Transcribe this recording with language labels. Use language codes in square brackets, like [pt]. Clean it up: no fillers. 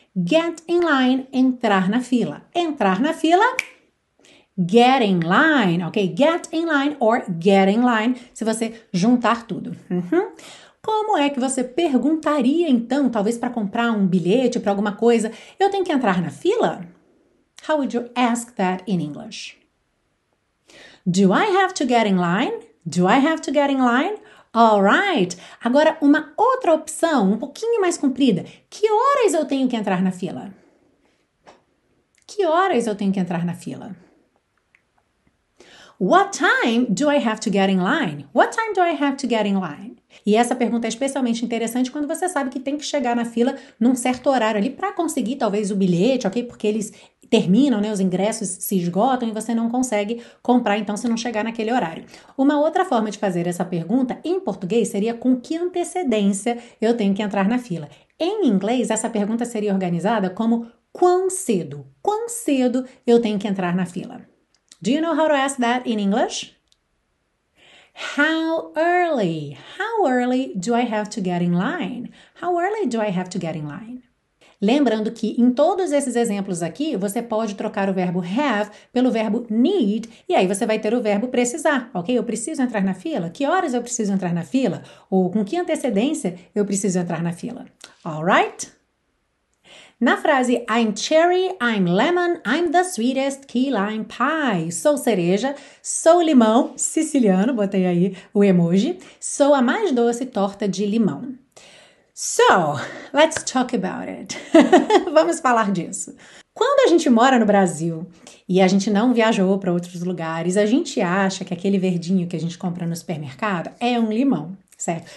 [en] Get in line, [pt] entrar na fila. Entrar na fila. [en] Get in line, ok? Get in line or get in line, [pt] se você juntar tudo. Como é que você perguntaria então, talvez para comprar um bilhete, para alguma coisa, eu tenho que entrar na fila? [en] How would you ask that in English? Do I have to get in line? Do I have to get in line? All right. [pt] Agora, uma outra opção, um pouquinho mais comprida. Que horas eu tenho que entrar na fila? Que horas eu tenho que entrar na fila? [en] What time do I have to get in line? What time do I have to get in line? [pt] E essa pergunta é especialmente interessante quando você sabe que tem que chegar na fila num certo horário ali para conseguir talvez o bilhete, ok? Porque eles terminam, né? Os ingressos se esgotam e você não consegue comprar, então, se não chegar naquele horário. Uma outra forma de fazer essa pergunta em português seria com que antecedência eu tenho que entrar na fila. Em inglês, essa pergunta seria organizada como quão cedo? Quão cedo eu tenho que entrar na fila? [en] Do you know how to ask that in English? How early? How early do I have to get in line? How early do I have to get in line? [pt] Lembrando que em todos esses exemplos aqui, você pode trocar o verbo have pelo verbo need e aí você vai ter o verbo precisar, ok? Eu preciso entrar na fila? Que horas eu preciso entrar na fila? Ou com que antecedência eu preciso entrar na fila? [en] Alright? [pt] Na frase [en] I'm cherry, I'm lemon, I'm the sweetest key lime pie. [pt] Sou cereja, sou limão, siciliano, botei aí o emoji. Sou a mais doce torta de limão. [en] So, let's talk about it. [pt] Vamos falar disso. Quando a gente mora no Brasil e a gente não viajou para outros lugares, a gente acha que aquele verdinho que a gente compra no supermercado é um limão. Certo.